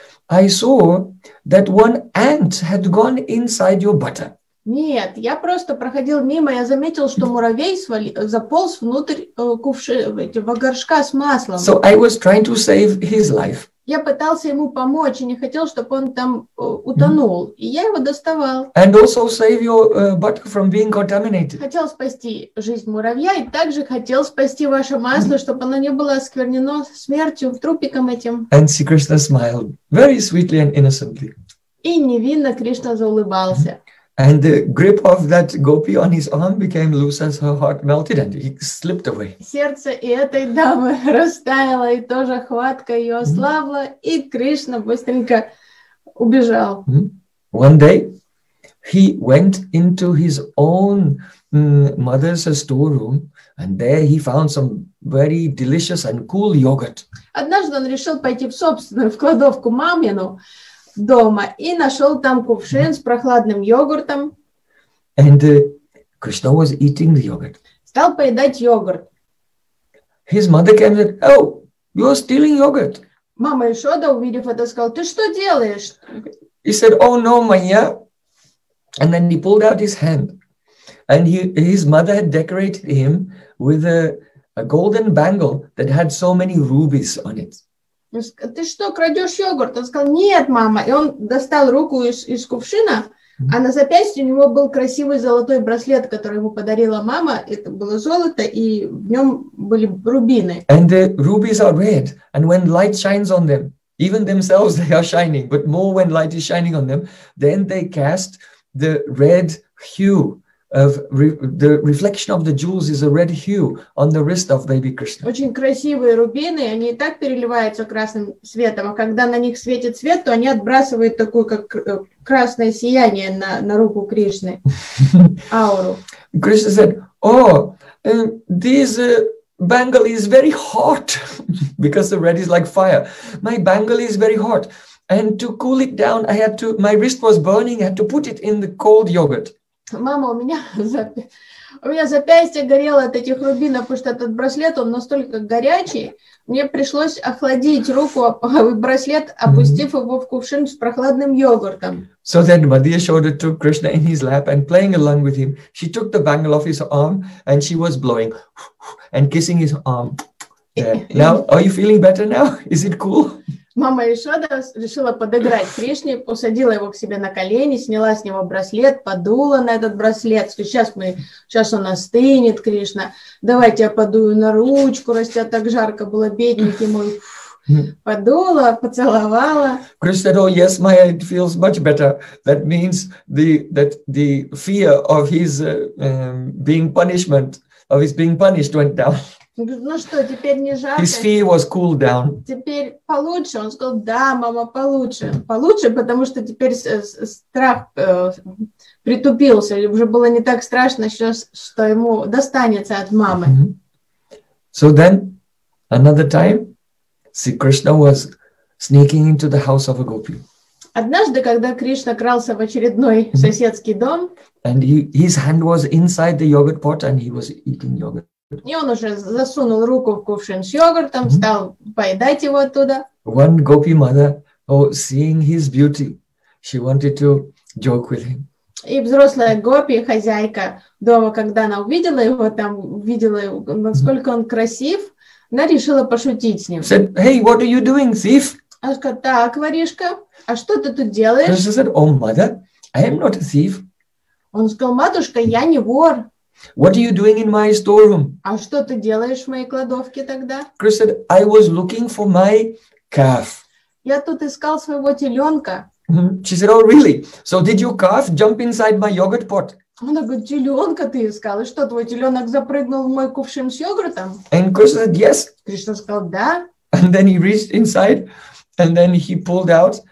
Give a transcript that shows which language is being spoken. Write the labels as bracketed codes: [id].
[en] I saw that one ant had gone inside your butter. [ru] Нет, я просто проходил мимо, я заметил, что муравей заполз внутрь в горшка с маслом. [en] So I was trying to save his life. [ru] Я пытался ему помочь и не хотел, чтобы он там утонул. И я его доставал. [en] And also save your butter from being contaminated. [ru] Хотел спасти жизнь муравья и также хотел спасти ваше масло, чтобы оно не было осквернено смертью, трупиком этим. [en] And Sri Krishna smiled very sweetly and innocently. [ru] И невинно Кришна заулыбался. [en] And the grip of that gopi on his arm became loose as her heart melted and he slipped away. [ru] Сердце и этой дамы растаяло, и тоже хватка ее ослабла, и Кришна быстренько убежал. [en] One day he went into his own mother's storeroom and there he found some very delicious and cool yogurt. [ru] Однажды он решил пойти в собственную, в кладовку мамину, дома и нашел там кувшин с прохладным йогуртом. [en] And Krishna was eating the yogurt. [ru] Стал поедать йогурт. [en] His mother came and said, "Oh, you're stealing yogurt." [ru] Мама Ишода, увидев это, сказала: "Ты что делаешь?" [en] He said, "Oh no, Maya." And then he pulled out his hand, and his mother had decorated him with a golden bangle that had so many rubies on it. [ru] Ты что, крадешь йогурт? Он сказал: нет, мама. И он достал руку из кувшина, а на запястье у него был красивый золотой браслет, который ему подарила мама. Это было золото, и в нем были рубины. [en] And the rubies are red, and when light shines on them, even themselves they are shining, but more when light is shining on them, then they cast the red hue. Of the reflection of the jewels is a red hue on the wrist of baby Krishna. [ru] Очень красивые рубины, они и так переливаются красным светом, а когда на них светит свет, то они отбрасывают такое как красное сияние на руку Кришны, ауру. [en] Krishna said, "Oh, this bangle is very hot because the red is like fire. My bangle is very hot, and to cool it down, my wrist was burning. I had to put it in the cold yogurt." [ru] Мама, у меня запястье горело от этих рубинов, потому что этот браслет, он настолько горячий, мне пришлось охладить руку, браслет, опустив его в кувшин с прохладным йогуртом. [en] So then Madhya Shoda took Krishna in his lap and playing along with him, she took the bangle off his arm and she was blowing and kissing his arm. Yeah. Now, are you feeling better now? Is it cool? [ru] Мама Ишода решила подыграть Кришне, посадила его к себе на колени, сняла с него браслет, подула на этот браслет. Сейчас он остынет, Кришна. Давайте я подую на ручку, раз тебя так жарко было, бедненький мой. Подула, поцеловала. [en] Krishna said, "Oh yes, Maya, it feels much better. That means that the fear of his being punished went down." [ru] Ну что, теперь не жарко. [en] His fear was cooled down. [ru] Теперь получше. Он сказал, да, мама, получше. Получше, потому что теперь страх притупился. Уже было не так страшно, что ему достанется от мамы. [en] So then, another time, see, Krishna was sneaking into the house of a gopi. [ru] Однажды, когда Кришна крался в очередной соседский дом, [en] and his hand was inside the yogurt pot, and he was eating yogurt. [ru] И он уже засунул руку в кувшин с йогуртом, стал поедать его оттуда. [en] One gopi mother, seeing his beauty, she wanted to joke with him. [ru] И взрослая гопи, хозяйка дома, когда она увидела его там, увидела, насколько он красив, она решила пошутить с ним. [en] Said, hey, what are you doing, thief? [ru] Она сказала, так, воришка, а что ты тут делаешь? [en] She said, oh, mother, I am not a thief. [ru] Он сказал, матушка, я не вор. [en] What are you doing in my storeroom? [ru] А что ты делаешь в моей кладовке тогда? [en] Krishna said, I was looking for my calf. [ru] Я тут искал своего теленка. [en] She said, oh, really? So did your calf jump inside my yogurt pot? [ru] Она говорит, теленка ты искал? И что, твой теленок запрыгнул в мой кувшин с йогуртом? [en] And Krishna said, yes. [ru] Кришна сказал, да. [en] And then he reached inside, and then he pulled out.